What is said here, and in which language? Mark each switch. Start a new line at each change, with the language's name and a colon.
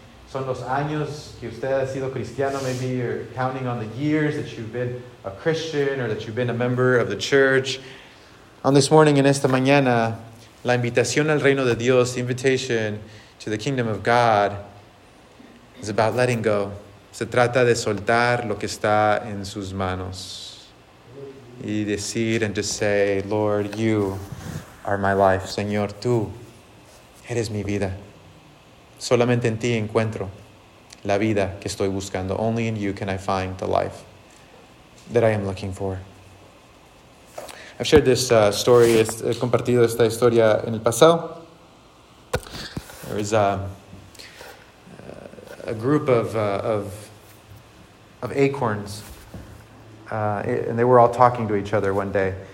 Spanish: Son los años que usted ha sido cristiano.
English: Maybe you're counting on the years that you've been a Christian or that you've been a member of the church. On this morning,
Spanish: en esta mañana, la invitación al reino de Dios,
English: the invitation to the kingdom of God, is about letting go.
Spanish: Se trata de soltar lo que está en sus manos. Y decir
English: and just say, Lord, you are my life.
Spanish: Señor, tú eres mi vida. Solamente en ti encuentro la vida que estoy buscando.
English: Only in you can I find the life that I am looking for. I've shared this story,
Spanish: he compartido esta historia en el pasado.
English: There is a group of acorns, and they were all talking to each other one day.